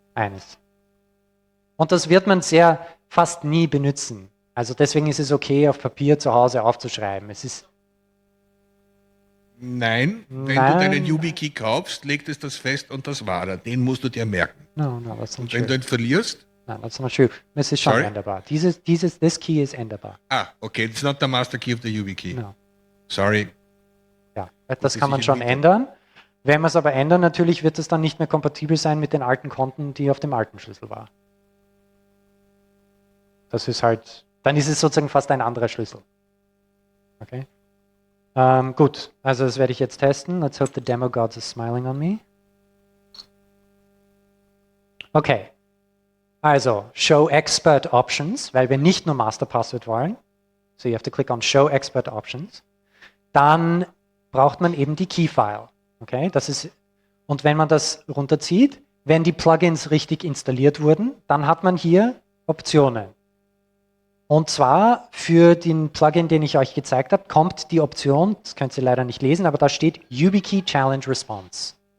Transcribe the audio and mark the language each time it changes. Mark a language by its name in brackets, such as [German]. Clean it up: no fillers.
[German] Eines. Und das wird man sehr fast nie benutzen. Also deswegen ist es okay, auf Papier zu Hause aufzuschreiben. Es ist nein, wenn du deinen YubiKey kaufst, legt es das fest und das war er. Den musst du dir merken. Das ist und wenn du ihn verlierst? Nein, das ist nicht schön. Es ist schon änderbar. [English] This key [German] ist änderbar. [English] Ah, okay, it's not the master key of the YubiKey. No. Sorry. [German] Ja, das kann man schon ändern. Wenn man es aber ändert, natürlich wird es dann nicht mehr kompatibel sein mit den alten Konten, die auf dem alten Schlüssel war. Das ist halt, dann ist es sozusagen fast ein anderer Schlüssel. Okay. Gut, also das werde ich jetzt testen. [English] Let's hope the demo gods are smiling on me. [German] Okay. Also, [English] show expert options, [German] weil wir nicht nur Master Password wollen. [English] So you have to click on show expert options. [German] Dann braucht man eben die Keyfile. Okay, das ist, und wenn man das runterzieht, wenn die Plugins richtig installiert wurden, dann hat man hier Optionen. Und zwar für den Plugin, den ich euch gezeigt habe, kommt die Option, das könnt ihr leider nicht lesen, aber da steht YubiKey Challenge Response.